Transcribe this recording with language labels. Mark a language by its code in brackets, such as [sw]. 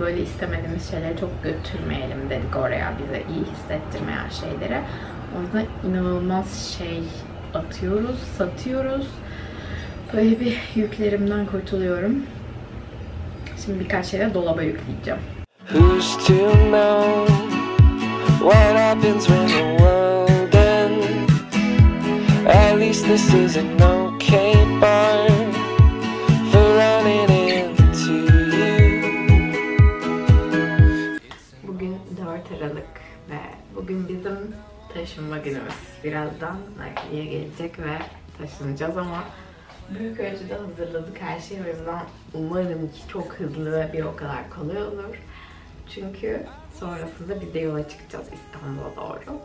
[tr] Böyle istemediğimiz şeyleri çok götürmeyelim dedik oraya. Bize iyi hissettirmeyen şeylere. O yüzden inanılmaz şey atıyoruz, satıyoruz. Böyle bir yüklerimden kurtuluyorum. Şimdi birkaç şeyle dolaba yükleyeceğim. [en] Who's to know what happens when the world ends? At least this is an okay bar for running into you. [tr] Bugün 4 Aralık ve bugün bizim taşınma günümüz. Birazdan Nagi'ye gelecek ve taşınacağız ama büyük ölçüde hazırladık her şeyi. O yüzden umarım ki çok hızlı ve bir o kadar kolay olur. Çünkü sonrasında bir de yola çıkacağız İstanbul'a doğru.